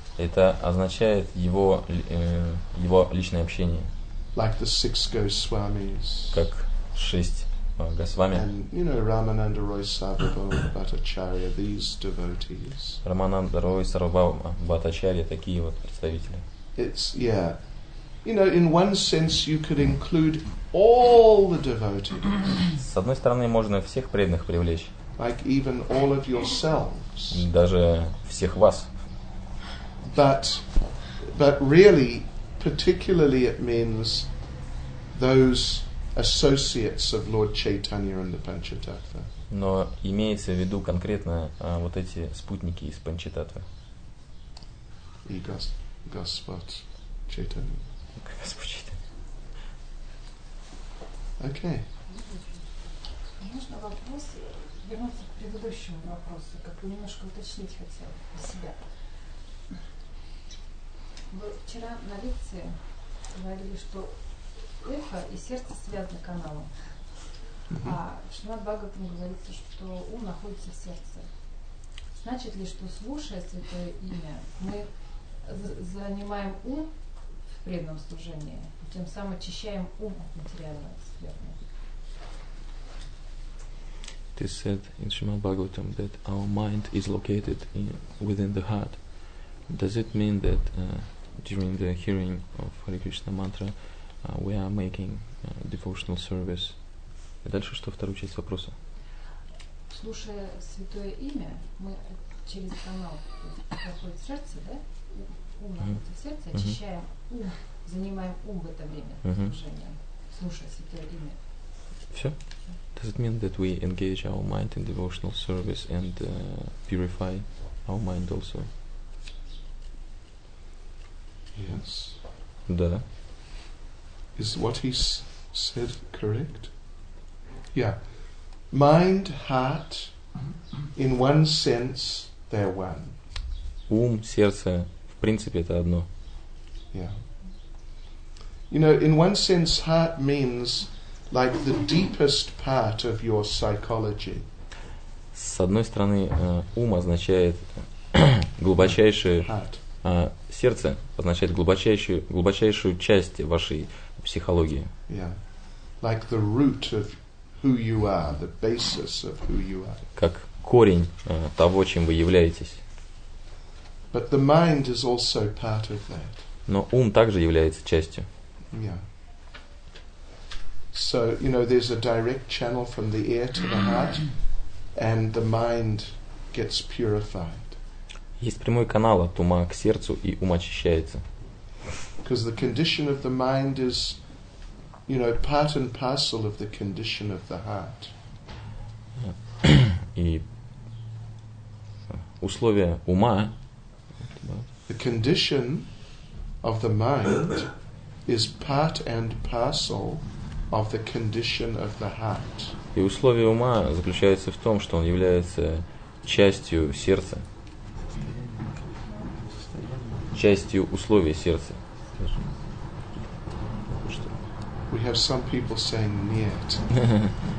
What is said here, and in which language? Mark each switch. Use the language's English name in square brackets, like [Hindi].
[Russian] Это означает его, его личное общение. [English] Like the six Госвамис. [Russian] Как шесть Госвами. [English] And, you know, Рамананда Рой Сарвабхаума Бхаттачарья, these devotees. [Russian] Рамананда Рой Сарвабхаума Бхаттачарья, такие вот представители. [English] It's, yeah. You know, in one sense you could include all the devotees. [Russian] С одной стороны, можно всех преданных привлечь. [English] Like even all of yourselves. [Russian] Даже всех вас. [English] But really, particularly it means those associates of Lord Chaitanya and the Panchatattva. [Russian] Но имеется в виду конкретно вот эти спутники из Панчататвы. И Господ Чайтанья. Господь Чайтанья. Окей. Можно вопрос вернуться к предыдущему вопросу, как бы немножко уточнить хотела для себя. Вы вчера на лекции говорили, что эхо и сердце связаны каналом, а Шримад Бхагаватам говорится, что ум находится в сердце. Значит ли, что слушая Святое Имя, мы занимаем ум в преданном служении, и тем самым очищаем ум от материального скверны? Ты [English] said in Шримад Бхагаватам that our mind is located in, within the heart. Does it mean that during the hearing of Hare Krishna mantra, we are making devotional service? [Russian] И дальше что вторую часть вопроса? Слушая Святое Имя, мы через канал проходит сердце, да? Ум находится в сердце, очищаем ум, занимаем ум в это время служения, слушая Святое Имя. Все? [English] Does it mean that we engage our mind in devotional service and purify our mind also? Yes. [Russian] Да. [English] Is what he said correct? Yeah. Mind, heart, in one sense, they're one. [Russian] Ум, сердце, в принципе, это одно. [English] Yeah. You know, in one sense, heart means like the deepest part of your psychology. [Russian] С одной стороны, ум означает глубочайшее. [English] Heart. [Russian] Сердце означает глубочайшую часть вашей психологии. [English] Yeah. Like the root of who you are, the basis of who you are. [Russian] Как корень того, чем вы являетесь. [English] But the mind is also part of that. [Russian] Но ум также является частью. [English] Yeah. So, you know, there's a direct channel from the ear to the heart, and the mind gets purified. [Russian] Есть прямой канал от ума к сердцу, и ум очищается. [English] Because the condition of the mind is, you know, part and parcel of the condition of the heart. [Russian] И условия ума. [English] The condition of the mind is part and parcel of the condition of the heart. [Russian] И условия ума заключаются в том, что он является частью сердца. Частью условий сердца. [English] We have some people saying [Russian] нет.